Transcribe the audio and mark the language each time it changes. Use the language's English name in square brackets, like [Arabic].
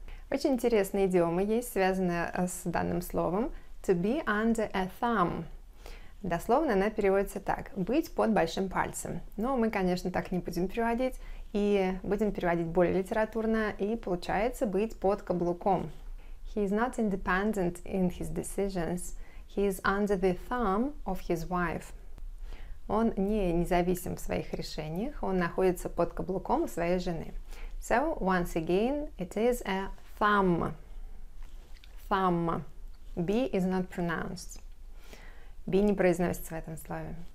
[Russian] Очень интересные идиомы есть, связанные с данным словом. [English] To be under a thumb. [Russian] Дословно она переводится так – «быть под большим пальцем». Но мы, конечно, так не будем переводить, и будем переводить более литературно, и получается «быть под каблуком». [English] He is not independent in his decisions. He is under the thumb of his wife. [Russian] Он не независим в своих решениях, он находится под каблуком своей жены. [English] So, once again, it is a thumb. Thumb. B is not pronounced. [Russian] B не произносится в этом слове.